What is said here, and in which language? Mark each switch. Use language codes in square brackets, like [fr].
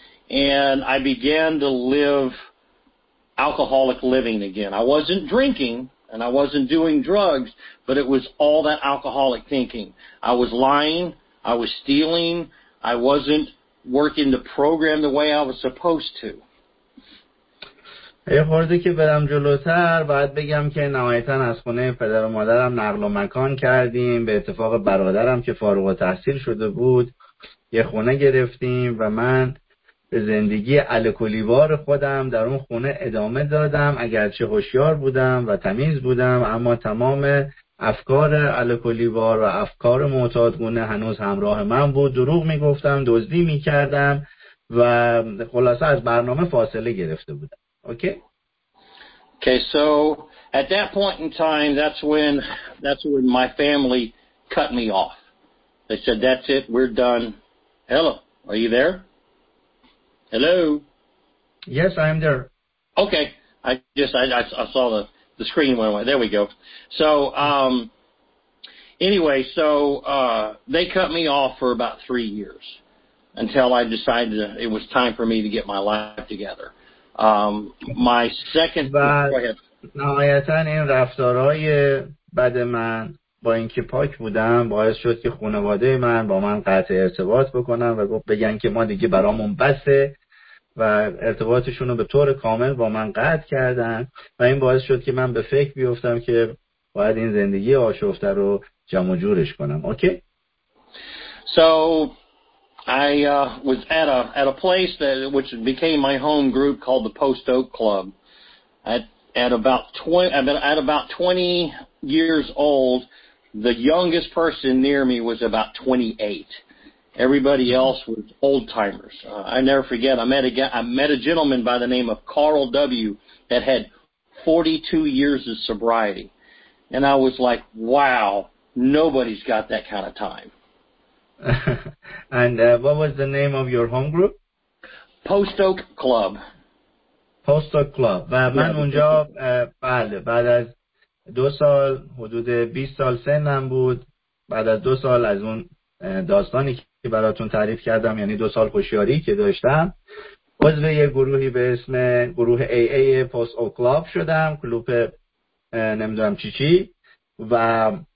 [en] And I began to live alcoholic living again. I wasn't drinking and I wasn't doing drugs, but it was all that alcoholic thinking. I was lying. I was stealing. I wasn't working the program the way I was supposed to. [fa] یه خورده که برم جلوتر باید بگم که نهایتاً از خونه پدر و مادرم نقل و مکان کردیم، به اتفاق برادرم که فارغ التحصیل شده بود یه خونه گرفتیم و من به زندگی الکلیوار خودم در اون خونه ادامه دادم، اگرچه هوشیار بودم و تمیز بودم، اما تمام افکار الکلیوار و افکار معتادگونه هنوز همراه من بود. دروغ میگفتم، دزدی میکردم و خلاصه از برنامه فاصله گرفته بودم. [en] Okay, so at that point in time, that's when my family cut me off. They said, "That's it, we're done." Hello, are you there? Hello. Yes, I'm there. Okay, I saw the screen went away. There we go. So anyway, they cut me off for about 3 years until I decided it was time for me to get my life together. My second. [fa] نهایتاً این رفتارهای بد من با اینکه پاک بودم باعث شد که خانواده من با من قطع ارتباط بکنن و بگن که ما دیگه برامون بسه و ارتباطشون رو به طور کامل با من قطع کردن و این باعث شد که من به فکر بیفتم که باید این زندگی آشفته رو جمع جورش کنم. [en] So I was at a place that which became my home group called the Post Oak Club. At about 20 years old, the youngest person near me was about 28. Everybody else was old timers. I never forget. I met a gentleman by the name of Carl W. that had 42 years of sobriety, and I was like, "Wow, nobody's got that kind of time." And what was the name of your home group? Post Oak Club. [fa] پست اوک کلاب. و من اونجا بله بعد از 2 سال حدود 20 سال سنم بود، بعد از 2 سال از اون داستانی که براتون تعریف کردم، یعنی 2 سال هوشیاری که داشتم، عضو یه گروهی به اسم گروه AA پست اوک کلاب شدم، کلوب نمیدونم چی و